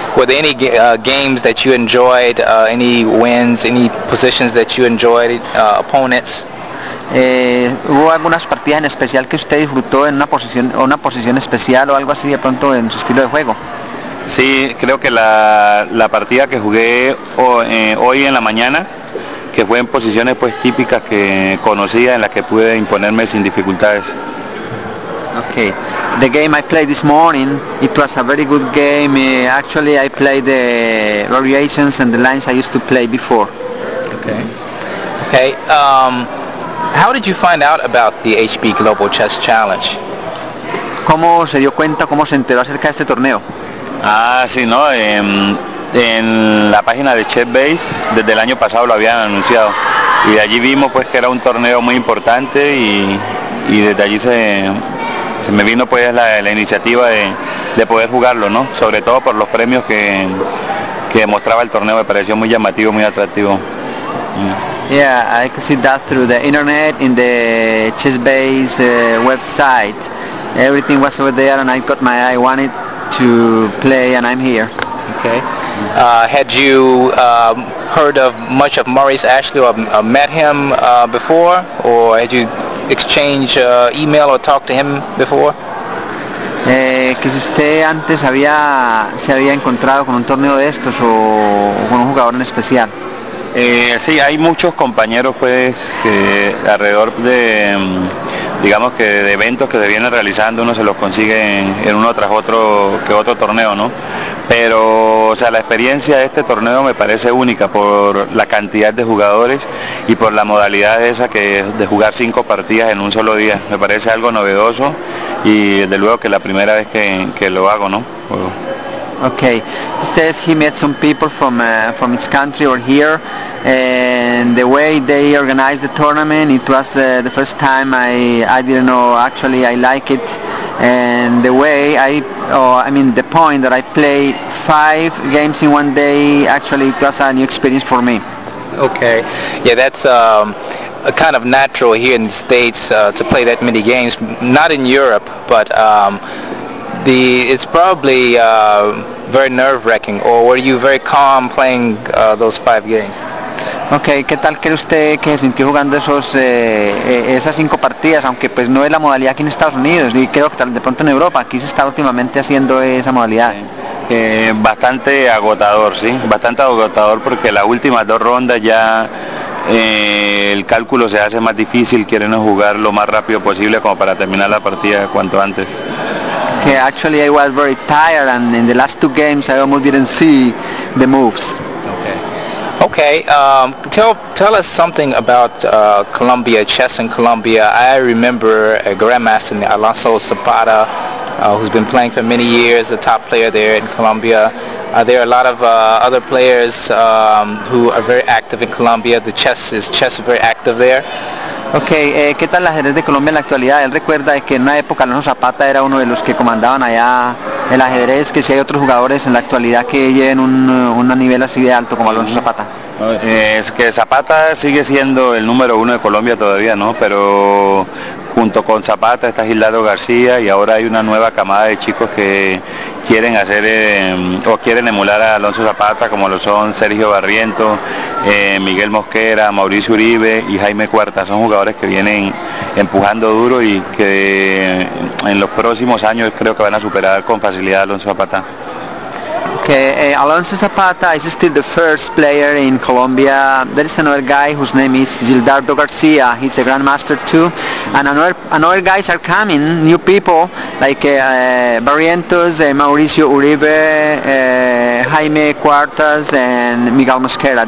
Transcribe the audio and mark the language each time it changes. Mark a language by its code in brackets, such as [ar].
[en] Were there any games that you enjoyed, any wins, any positions that you enjoyed, opponents? [es] ¿Hubo algunas partidas en especial que usted disfrutó en una posición especial o algo así de pronto en su estilo de juego? Sí, creo que la partida que jugué hoy en la mañana, que fue en posiciones pues típicas que conocía, en las que pude imponerme sin dificultades. [en] Okay. The game I played this morning, it was a very good game. Actually, I played the variations and the lines I used to play before. Okay. Okay. How did you find out about the HB Global Chess Challenge? [es] ¿Cómo se dio cuenta, cómo se enteró acerca de este torneo? Ah, sí, ¿no? En la página de ChessBase, desde el año pasado lo habían anunciado. Y de allí vimos pues que era un torneo muy importante y desde allí se me vino pues la iniciativa de poder jugarlo, ¿no? Sobre todo por los premios que mostraba el torneo, me pareció muy llamativo, muy atractivo. [en] Yeah, I can see that through the internet, in the ChessBase website. Everything was over there and I got my eye, wanted to play and I'm here. Okay. Had you heard of much of Maurice Ashley or met him before, or had you exchange email or talk to him before? [es] Que si usted antes se había encontrado con un torneo de estos o con un jugador en especial. Sí, hay muchos compañeros pues que alrededor de, digamos que de eventos que se vienen realizando, uno se los consigue en uno tras otro que otro torneo, ¿no? Pero, o sea, la experiencia de este torneo me parece única por la cantidad de jugadores y por la modalidad esa que es de jugar 5 partidas en un solo día. Me parece algo novedoso y desde luego que es la primera vez que lo hago, ¿no? [en] Okay, he says he met some people from his country or here, and the way they organized the tournament, it was the first time I didn't know, actually I like it, and the way the point that I played 5 games in one day, actually it was a new experience for me. Okay, yeah, that's a kind of natural here in the States to play that many games, not in Europe, but it's probably very nerve-wracking, or were you very calm playing those 5 games? [es] Okay, ¿qué tal cree usted que se sintió jugando esos esas cinco partidas, aunque pues no es la modalidad aquí en Estados Unidos y creo que tal de pronto en Europa, aquí se está últimamente haciendo esa modalidad? Bastante agotador, sí, bastante agotador, porque las últimas dos rondas ya el cálculo se hace más difícil, quieren jugar lo más rápido posible como para terminar la partida cuanto antes. [en] Que okay, actually I was very tired and in the last two games I almost didn't see the moves. Okay, tell us something about Colombia, chess in Colombia. I remember a grandmaster, Alonso Zapata, who's been playing for many years, a top player there in Colombia. There are a lot of other players who are very active in Colombia. The chess is very active there. [es] Okay, ¿qué tal la ajedrez de Colombia en la actualidad? Él recuerda que en una época Alonso Zapata era uno de los que comandaban allá el ajedrez, que si hay otros jugadores en la actualidad que lleven un nivel así de alto como Alonso Zapata. Es que Zapata sigue siendo el número uno de Colombia todavía, ¿no? Pero junto con Zapata está Gildardo García y ahora hay una nueva camada de chicos que quieren hacer o quieren emular a Alonso Zapata, como lo son Sergio Barriento, Miguel Mosquera, Mauricio Uribe y Jaime Cuarta. Son jugadores que vienen empujando duro y que en los próximos años creo que van a superar con facilidad a Alonso Zapata. [en] Okay, Alonso Zapata is still the first player in Colombia. There is another guy whose name is Gildardo Garcia. He's a grandmaster too. And another guys are coming, new people, like Barrientos, Mauricio Uribe, Jaime Cuartas, and Miguel Mosquera.